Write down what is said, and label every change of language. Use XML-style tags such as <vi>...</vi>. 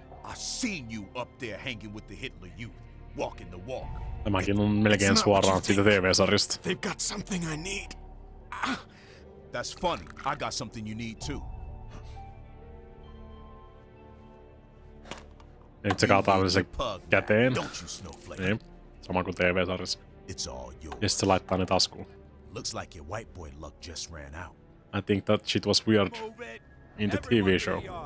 <en>I seen you up there hanging with the Hitler youth, walking the walk.</en> <fi>Tämäkin on melkein suoraan siitä TV-sarjasta.</fi> <en>They've got something I need. That's funny. I got something you need too.</en> <fi>Nyt se kaataa sen käteen. Niin. Sama kuin TV-sarjassa. Ja sit se laittaa ne taskuun.</fi> <en>Looks like your white boy luck just ran out. I think that shit was weird in the TV show.</en>